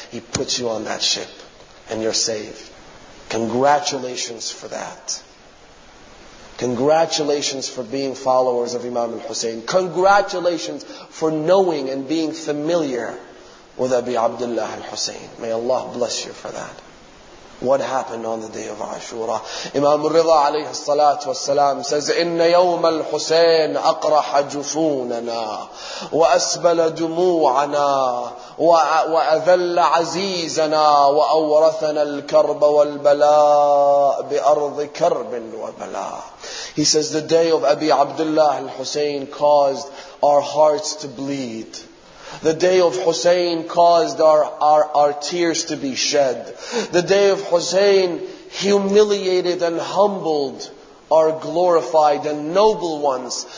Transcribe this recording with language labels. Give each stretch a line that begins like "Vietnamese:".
English: He puts you on that ship. And you're saved. Congratulations for that. Congratulations for being followers of Imam al-Husayn. Congratulations for knowing and being familiar with Abi Abdullah al-Husayn. May Allah bless you for that. What happened on the day of Ashura? Imam al-Ridha alayhi salatu wassalam says,
Arabic: إِنَّ يَوْمَ الْحُسَيْنِ أَقْرَحَ جُفُونَنَا وَأَسْبَلَ دُمُوعَنَا وَأَذَلَّ عَزِيزَنَا وَأَوْرَثَنَا الْكَرْبَ وَالْبَلَاءِ بِأَرْضِ كَرْبٍ وَبَلَاءِ.
English: He says, the day of Abi Abdullah al-Husayn caused our hearts to bleed. The day of Hussein caused our tears to be shed. The day of Hussein humiliated and humbled our glorified and noble ones.